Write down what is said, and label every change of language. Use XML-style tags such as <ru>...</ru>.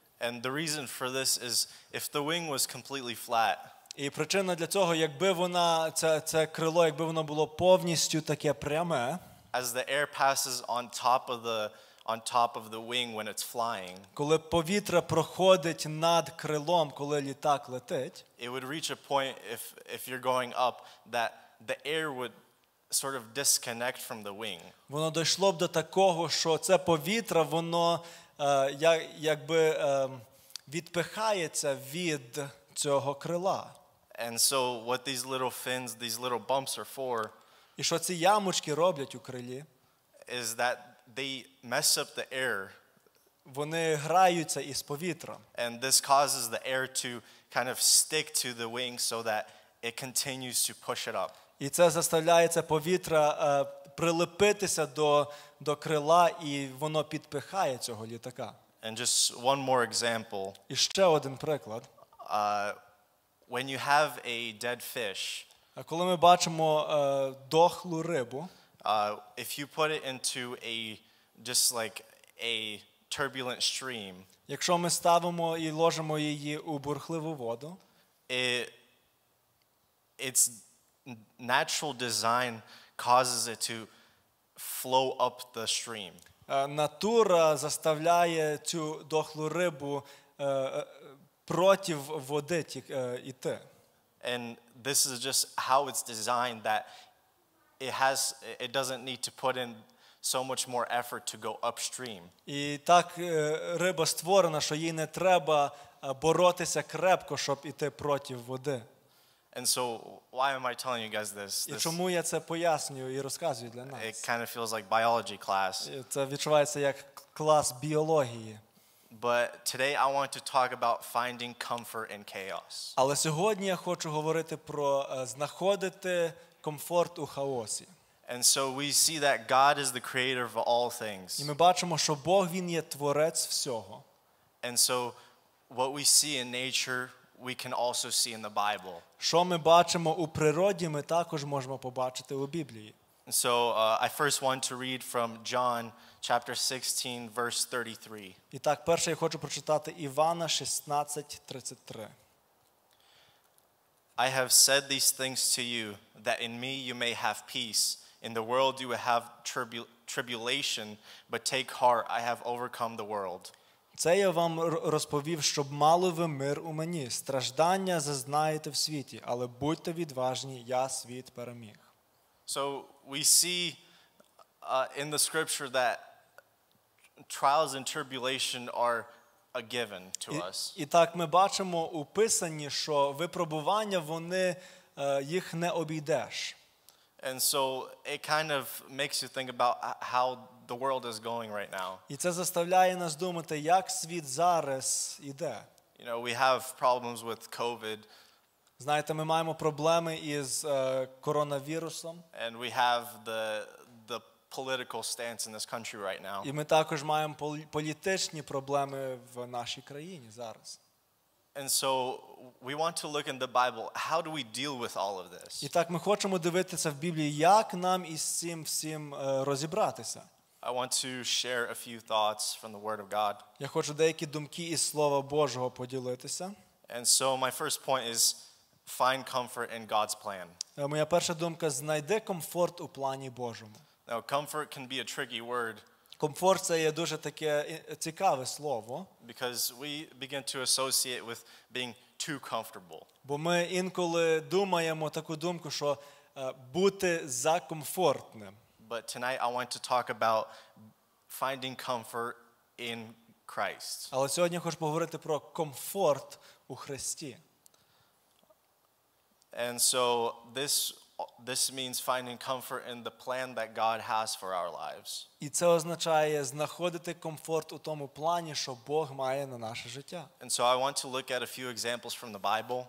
<en>And the reason for this is if the wing was completely flat.</en> <uk>І причина для цього, якби вона це крило, якби воно було повністю таке пряме.</uk> <en>As the air passes on top of the wing when it's flying.</en> <uk>Коли повітря проходить над крилом, коли літак летить.</uk> <en>It would reach a point if you're going up that the air would sort of disconnect from the wing.</en> <uk>Воно дійшло б до такого, що це повітря, воно якби відпихається від цього крила.</uk> <en>And so what these little fins, these little bumps are for?</en> <uk>І що ці ямочки роблять у крилі?</uk> <en>Is that they mess up the air.</en> <uk>Вони граються із повітрям.</uk> <en>And this causes the air to kind of stick to the wing so that it continues to push it up.</en> <uk>І це заставляє це повітря прилепитися до крила, і воно підпихає цього літака.</uk> <en>And just one more example.</en> <uk>І ще один приклад.</uk> <en>When you have a dead fish,</en> <uk>а коли ми бачимо дохлу рибу,</uk> <en>if you put it into a just like a turbulent stream,</en> <uk>якщо ми ставимо і ложимо її у бурхливу воду,</uk> <en>its natural design causes it to flow up the stream.</en> <uk>Натура заставляє цю дохлу рибу проти води йти.</uk> <en>And this is just how it's designed, that it doesn't need to put in so much more effort to go upstream.</en> <uk>І так риба створена, що їй не треба боротися крепко, щоб іти проти води.</uk> <en>And so why am I telling you guys this?</en> <uk>І чому я це пояснюю і розказую для нас?</uk> <en>It kind of feels like biology class.</en> <uk>Це відчувається як клас біології.</uk> <en>But today I want to talk about finding comfort in chaos.</en> <uk>Але сьогодні я хочу говорити про знаходити комфорт у хаосі.</uk> <en>And so we see that God is the creator of all things.</en> <uk>І ми бачимо, що Бог, він є творець всього.</uk> <en>And so what we see in nature, we can also see in the Bible.</en> <uk>Що ми бачимо у природі, ми також можемо побачити у Біблії.</uk> <en>So I first want to read from John chapter 16 verse 33.</en> <uk>І так, перше я хочу прочитати Івана 16:33.</uk> <en>I have said these things to you that in me you may have peace. In the world you will have tribulation, but take heart, I have overcome the world.</en> <uk>Це я вам розповів, щоб мали ви мир у мені. Страждання зазнаєте в світі, але будьте відважні, я світ переміг.</uk> <en>So we see in the scripture that trials and tribulation are a given to us.</en> <uk>І так ми бачимо у Писанні, що випробування, вони їх не обійдеш.</uk> <en>And so it kind of makes you think about how the world is going right now.</en> <uk>І це заставляє нас думати, як світ зараз іде.</uk> <en>You know, we have problems with COVID.</en> <uk>Знаєте, ми маємо проблеми із коронавірусом.</uk> <en>And we have the political stance in this country right now.</en> <uk>І ми також маємо політичні проблеми в нашій країні зараз.</uk> <en>And so we want to look in the Bible, how do we deal with all of this?</en> <uk>І так ми хочемо дивитися в Біблії, як нам із цим всім розібратися.</uk> <en>I want to share a few thoughts from the word of God.</en> <uk>Я хочу деякі думки із слова Божого поділитися.</uk> <en>And so my first point is find comfort in God's plan.</en> <uk>Моя перша думка — знайди комфорт у плані Божому.</uk> <en>Now, comfort can be a tricky word.</en> <uk>Комфорт — це є дуже таке цікаве слово.</uk> <en>Because we begin to associate with being too comfortable.</en> <uk>Бо ми інколи думаємо таку думку, що бути закомфортним.</uk> <en>But tonight I want to talk about finding comfort in Christ.</en> <uk>Але сьогодні хочу поговорити про комфорт у Христі.</uk> <en>And so this means finding comfort in the plan that God has for our lives.</en> <uk>І це означає знаходити комфорт у тому плані, що Бог має на наше життя.</uk> <en>And so I want to look at a few examples from the Bible.</en>